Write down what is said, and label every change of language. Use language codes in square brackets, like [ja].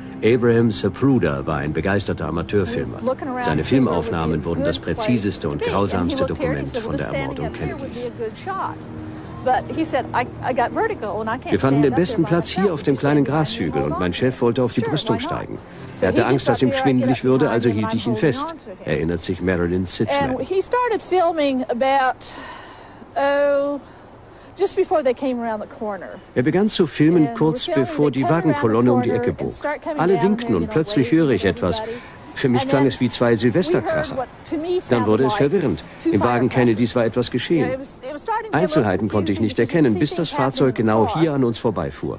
[de] Abraham Zapruder war ein begeisterter Amateurfilmer. Seine Filmaufnahmen wurden das präziseste und grausamste Dokument von der Ermordung Kennedys. Wir fanden den besten Platz hier auf dem kleinen Grashügel und mein Chef wollte auf die Brüstung steigen. Er hatte Angst, dass ihm schwindelig würde, also hielt ich ihn fest, erinnert sich Marilyn Sitzman. [en] He started filming about, just before they came around the corner. [de] Er begann zu filmen kurz bevor die Wagenkolonne um die Ecke bog. Alle winkten und plötzlich höre ich etwas. Für mich klang es wie zwei Silvesterkracher. Dann wurde es verwirrend. Im Wagen Kennedys war etwas geschehen. Einzelheiten konnte ich nicht erkennen, bis das Fahrzeug genau hier an uns vorbeifuhr.